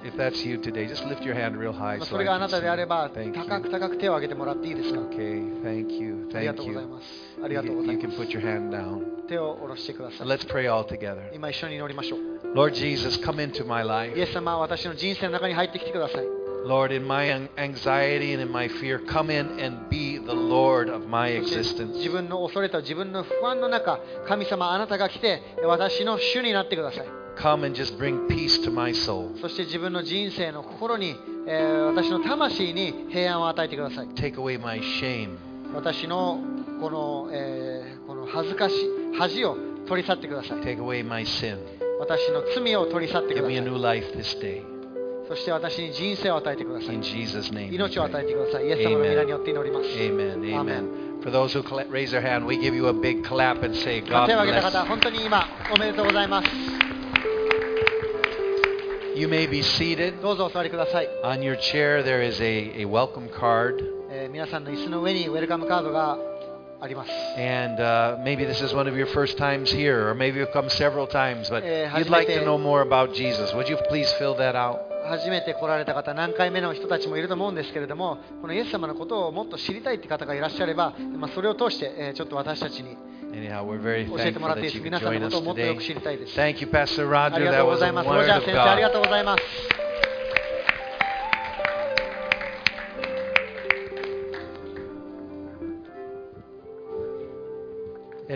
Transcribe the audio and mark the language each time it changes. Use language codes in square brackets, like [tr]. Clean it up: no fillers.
[en] If that's you today, just lift your hand real high. [ja] それがあなたであれば、高く高く手を挙げてもらっていいですか？ [en] Okay, thank you. [ja] ありがとうございます。ありがとうございます。 [en] You can put your hand down. [ja] 手を下ろしてください。 [en] Let's pray all together. [ja] 今一緒に祈りましょう。 [en] Lord Jesus, come into my life. [ja] イエス様、私の人生の中に入ってきてください。 [en] Lord, in my anxiety and in my fear, come in and be the Lord of my existence. [ja] 自分の恐れと自分の不安の中、神様あなたが来て私の主になってください。 [en] Come and just bring peace to my soul. [ja] そして自分の人生の心に、私の魂に平安を与えてください。 [en] Take away my shame. [ja] 私のこの、この恥ずかし、恥を取り去ってください。 [en] Take away my sin. [ja] 私の罪を取り去ってください。 [en] Give me a new life this day. [ja] そして私に人生を与えてください。 [en] In Jesus' name, [ja] 命を与えてください。イエス様の皆によって祈ります。 [en] Amen. Amen. For those who raise their hand, we give you a big clap and say, God bless. [ja] 手を挙げた方、本当に今おめでとうございます。 [en] You may be seated. [ja] どうぞお座りください。 [en] On your chair, there is a welcome card. [ja] 皆さんの椅子の上にウェルカムカードがあります。 [en] And maybe this is one of your first times here, or maybe you've come several times, but you'd like to know more about Jesus. Would you please fill that out? [ja] 初めて来られた方、何回目の人たちもいると思うんですけれども、このイエス様のことをもっと知りたいって方がいらっしゃれば、まあ、それを通してちょっと私たちに [en] Anyhow, [ja] 教えてもらっていいですか。皆さんのことをもっとよく知りたいです。 [en] Thank you, Pastor Roger. [ja] ありがとうございます。ロジャー先生、ありがとうございます。